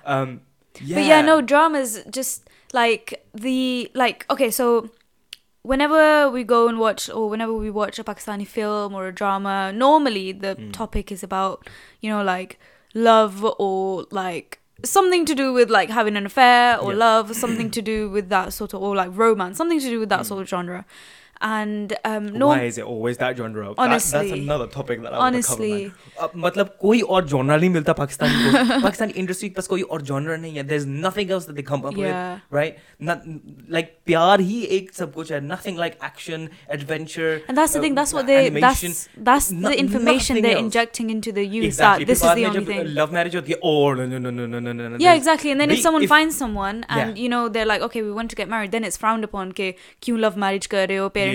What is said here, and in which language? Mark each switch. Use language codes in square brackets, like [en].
[en] But yeah, no, dramas, just like okay, so whenever we go and watch, or whenever we watch a Pakistani film or a drama, normally the topic is about, you know, like love, or like something to do with like having an affair, or love, something to do with that sort of, or like romance, something to do with that sort of genre. And why is it always that genre? Honestly, that's another topic that I honestly [ur] مطلب کوئی اور genre نہیں ملتا پاکستان کو۔ Pakistan industry پاس کوئی اور genre نہیں ہے۔ [en] There's nothing else that they come up with, right? Not like [ur] پیار ہی ایک سب کچھ ہے۔ [en] Nothing like action, adventure, and that's the thing, that's what they animation. that's the information they're injecting into the youth. Exactly. That this is the only thing, love marriage or the no. Yeah, there's, exactly. And then if someone finds someone and you know, they're like, okay, we want to get married, then it's frowned upon [ur] ke kyun love marriage kar rahe ho,